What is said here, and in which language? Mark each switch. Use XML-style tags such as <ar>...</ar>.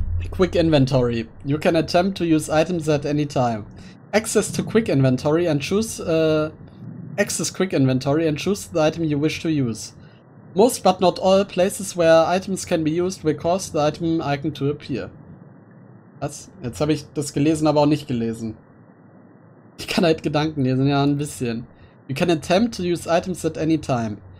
<en>Quick Inventory. You can attempt to use items at any time. Access to Quick Inventory and choose... access Quick Inventory and choose the item you wish to use. Most but not all places where items can be used will cause the item icon to appear.</en> <de>Was? Jetzt habe ich das gelesen, aber auch nicht gelesen. Ich kann halt Gedanken lesen, ja, ein bisschen.</de> <en>You can attempt to use items at any time.</en>